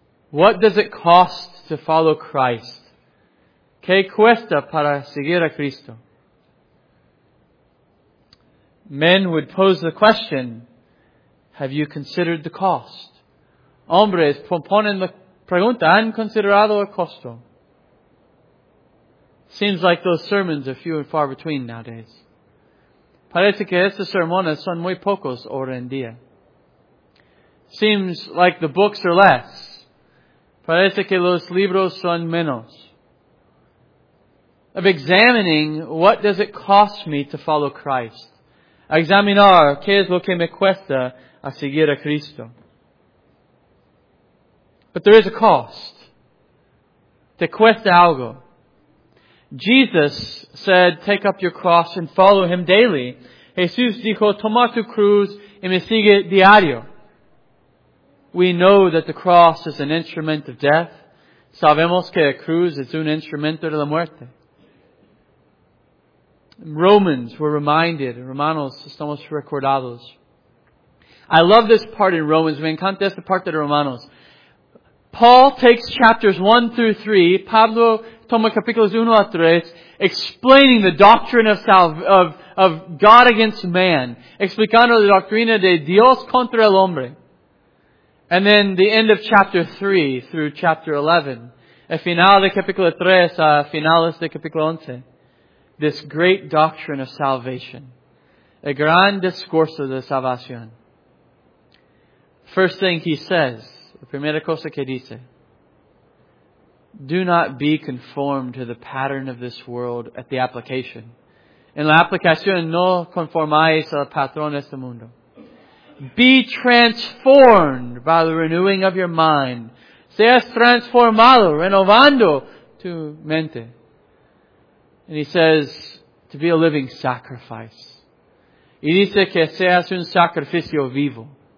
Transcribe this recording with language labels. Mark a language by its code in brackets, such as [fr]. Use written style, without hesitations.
[en] What does it cost to follow Christ? [es] ¿Qué cuesta para seguir a Cristo? [en] Men would pose the question, "Have you considered the cost?" [es] Hombres proponen la pregunta, "¿Han considerado el costo?" [en] Seems like those sermons are few and far between nowadays. [es] Parece que esos sermones son muy pocos hoy en día. [en] Seems like the books are less. [es] Parece que los libros son menos. [en] Of examining, what does it cost me to follow Christ? [es] Examinar, ¿qué es lo que me cuesta a seguir a Cristo? [en] But there is a cost. [es] Te cuesta algo. [en] Jesus said, "Take up your cross and follow him daily." [es] Jesús dijo, "Toma tu cruz y me sigue diario." [en] We know that the cross is an instrument of death. [es] Sabemos que la cruz es un instrumento de la muerte. [en] Romans, we're reminded. [es] Romanos, estamos recordados. [en] I love this part in Romans. [es] Me encanta esta parte de Romanos. [en] Paul takes chapters 1 through 3. [es] Pablo toma capítulos 1 a 3. [en] Explaining the doctrine of God against man. [es] Explicando la doctrina de Dios contra el hombre. [en] And then the end of chapter 3 through chapter 11. [es] El final de capítulo 3 a finales de capítulo 11. [en] This great doctrine of salvation. [es] El gran discurso de salvación. [en] First thing he says, [es] la primera cosa que dice, [en] do not be conformed to the pattern of this world at the application. [es] En la aplicación, no conformáis al patrón de este mundo. [en] Be transformed by the renewing of your mind. [es] Seas transformado, renovando tu mente. [en] And he says, to be a living sacrifice. [es] Y dice que seas un sacrificio vivo.